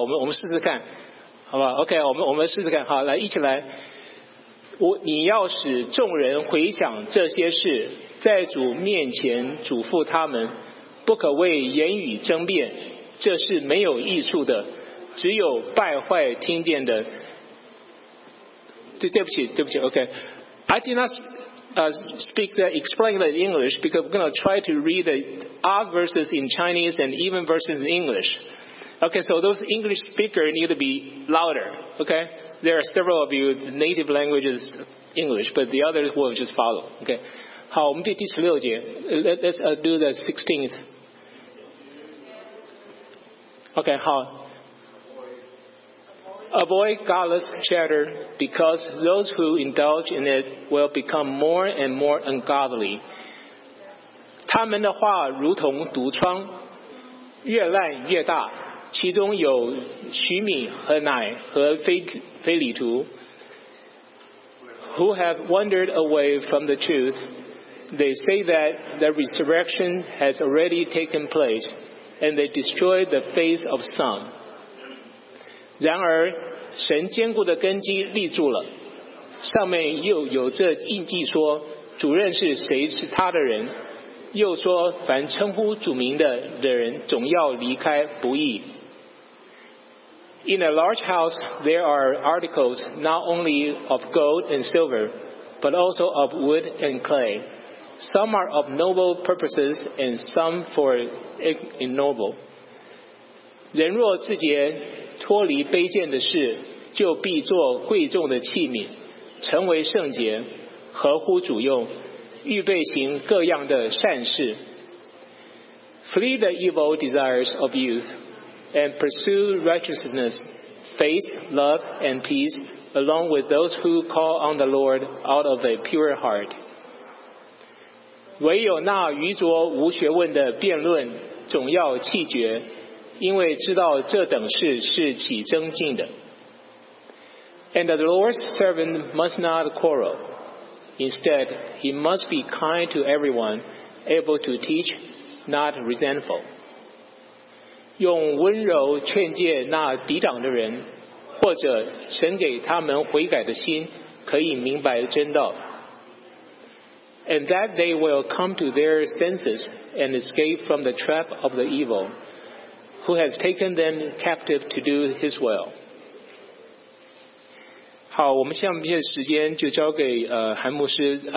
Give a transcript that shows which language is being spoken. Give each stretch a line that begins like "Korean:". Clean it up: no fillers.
Chinese: 我们试试看，好不好 ？OK， 我们试试看，好，来一起来。你要使众人回想这些事，在主面前嘱咐他们，不可为言语争辩，这是没有益处的，只有败坏听见的。对不起 ，OK。
English: I did not speak that, explain that in English because we're going to try to read the odd verses in Chinese and even verses in English. Okay, so those English speakers need to be louder, okay? There are several of you, the native language is English, but the others will just follow, okay?
Chinese: 好，我们第十六节
English: Let's do the 16th. Okay, 好。 Avoid godless chatter, because those who indulge in it will become more and more ungodly.
Chinese: 他们的话如同毒疮，越烂越大，其中有徐米和乃和非礼徒
English: who have wandered away from the truth. They say that the resurrection has already taken place, and they destroy the faith of some.
Chinese: 然而神坚固的根基立住了，上面又有这印记说，主认识谁是他的人，又说凡称呼主名的人总要离开不义。
English: In a large house there are articles not only of gold and silver, but also of wood and clay. Some are of noble purposes and some for ignoble.
Chinese: 人若自洁脱离卑贱的事，就必做贵重的器皿，成为圣洁，合乎主用，预备行各样的善事。
English: Flee the evil desires of youth, and pursue righteousness, faith, love, and peace, along with those who call on the Lord out of a pure heart.
Chinese: 唯有那愚拙无学问的辩论，总要弃绝，因为知道这等事是起争竞的。
English: And the Lord's servant must not quarrel. Instead, he must be kind to everyone, able to teach, not resentful.
Chinese: 用温柔劝诫那抵挡的人，或者神给他们悔改的心，可以明白真道。
English: And that they will come to their senses and escape from the trap of the evil, who has taken them captive to do his will.
Chinese: 好，我们下面的时间就交给韩牧师。